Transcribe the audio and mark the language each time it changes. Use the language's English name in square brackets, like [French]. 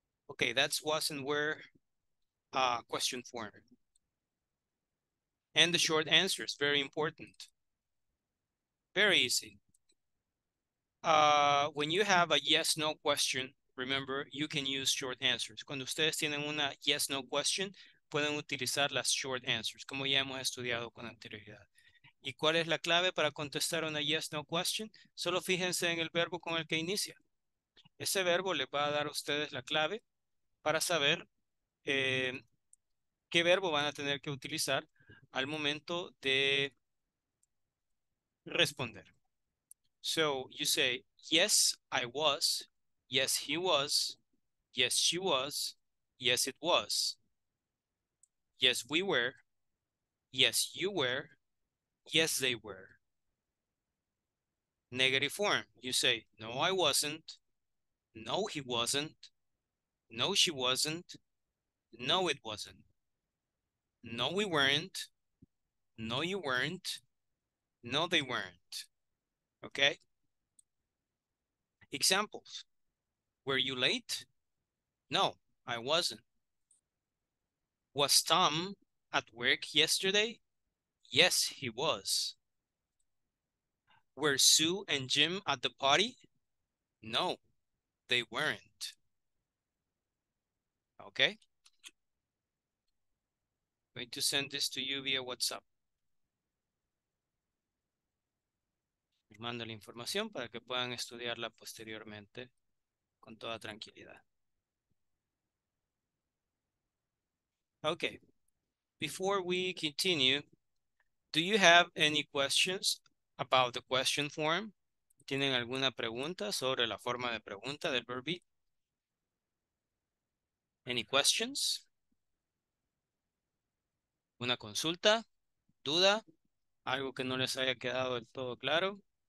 [English] Okay, that's was and where question form. And the short answer is very important. Very easy. When you have a yes, no question, remember, you can use short answers. [Spanish] Cuando ustedes tienen una [English] yes, no question, [Spanish] pueden utilizar las [English] short answers, [Spanish] como ya hemos estudiado con anterioridad. ¿Y cuál es la clave para contestar una yes, no question? Solo fíjense en el verbo con el que inicia. Ese verbo les va a dar a ustedes la clave para saber qué verbo van a tener que utilizar al momento de responder. [English] So you say, yes, I was, yes, he was, yes, she was, yes, it was, yes, we were, yes, you were, yes, they were. Negative form, you say, no, I wasn't, no, he wasn't, no, she wasn't, no, it wasn't, no, we weren't, no, you weren't. No, they weren't. Okay? Examples. Were you late? No, I wasn't. Was Tom at work yesterday? Yes, he was. Were Sue and Jim at the party? No, they weren't. Okay. I'm going to send this to you via WhatsApp. [Spanish] Les mando la información para que puedan estudiarla posteriormente con toda tranquilidad. [English] Okay. Before we continue, do you have any questions about the question form? [Spanish] ¿Tienen alguna pregunta sobre la forma de pregunta del verb be? [English] Any questions? [Spanish] ¿Una consulta? ¿Duda? ¿Algo que no les haya quedado del todo claro?